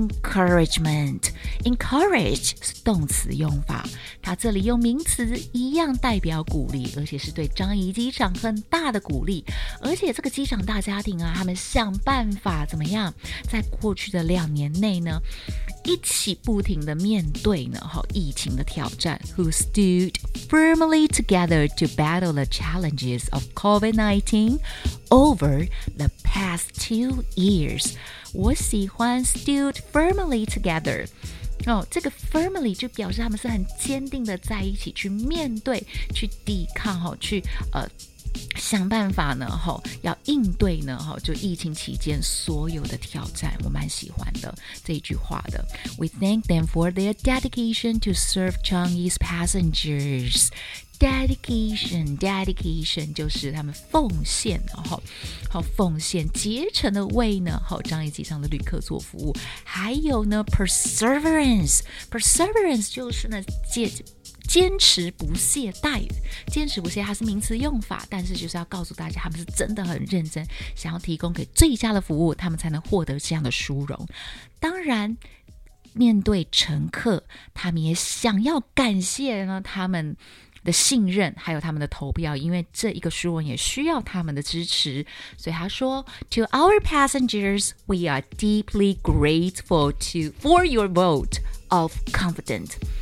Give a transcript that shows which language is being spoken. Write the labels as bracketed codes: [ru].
[zh] Encouragement Encourage 是动词用法，它这里用名词一样代表鼓励，而且是对樟宜机场很大的鼓励。而且这个机场大家庭啊，他们想办法怎么样，在过去的2年内呢，一起不停的面对呢，疫情的挑战。 [en] Who stood firmly together to battle the challenges of COVID-19 over the past 2 years? 我喜欢 stood firmly together。 [zh] 哦，这个 firmly 就表示他们是很坚定的在一起去面对、去抵抗、去想办法呢，要应对呢，就疫情期间所有的挑战，我蛮喜欢的这一句话的。 [en] We thank them for their dedication to serve Changi's passengers. [zh] Dedication 就是他们奉献，奉献竭诚的为呢，樟宜机场的旅客做服务。还有呢 perseverance 就是呢坚持不懈怠。坚持不懈它是名词用法，但是就是要告诉大家他们是真的很认真，想要提供给最佳的服务，他们才能获得这样的殊荣。当然面对乘客，他们也想要感谢呢他们的信任还有他们的投票，因为这一个殊荣也需要他们的支持。 [en] 所以他说 To our passengers, we are deeply grateful for your vote of confidence.